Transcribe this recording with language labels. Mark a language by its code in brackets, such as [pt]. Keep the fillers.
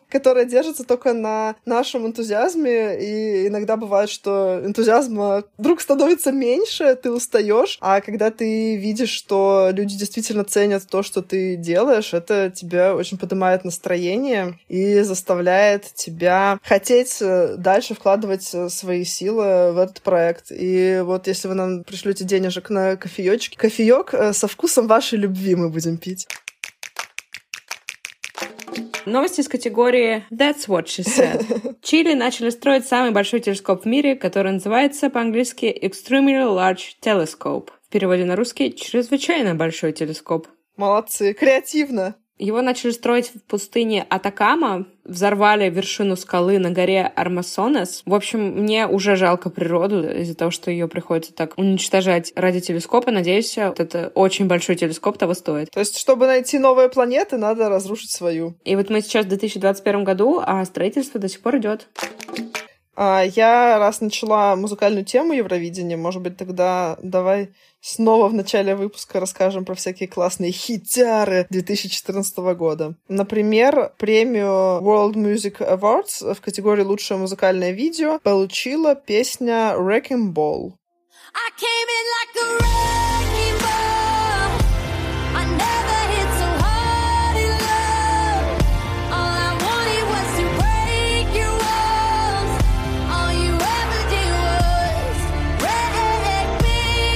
[ru] которая держится только на нашем энтузиазме, и иногда бывает, что энтузиазма вдруг становится меньше, ты устаешь, а когда ты видишь, что люди действительно ценят то, что ты делаешь, это тебя очень поднимает настроение и заставляет тебя хотеть дальше вкладывать свои силы в этот проект. И вот если вы нам пришлете денежек на кофеечки, кофеек со вкусом вашей любви мы будем пить. Новости из категории [en] «That's what she said». [ru] Чили начали строить самый большой телескоп в мире, который называется по-английски «Extremely Large Telescope». В переводе на русский «Чрезвычайно большой телескоп». Молодцы, креативно. Его начали строить в пустыне Атакама, взорвали вершину скалы на горе Армасонес. В общем, мне уже жалко природу из-за того, что ее приходится так уничтожать ради телескопа. Надеюсь, вот это очень большой телескоп того стоит. То есть, чтобы найти новые планеты, надо разрушить свою. И вот мы сейчас в 2021 году, а строительство до сих пор идет. Я раз начала музыкальную тему Евровидения, может быть, тогда давай снова в начале выпуска расскажем про всякие классные хитяры 2014 года. Например, премию World Music Awards в категории «Лучшее музыкальное видео» получила песня «Wrecking Ball». [en] I came in like a wrecking ball. I never hit so hard in love. All I wanted was to break your walls. All you ever did was wreck me.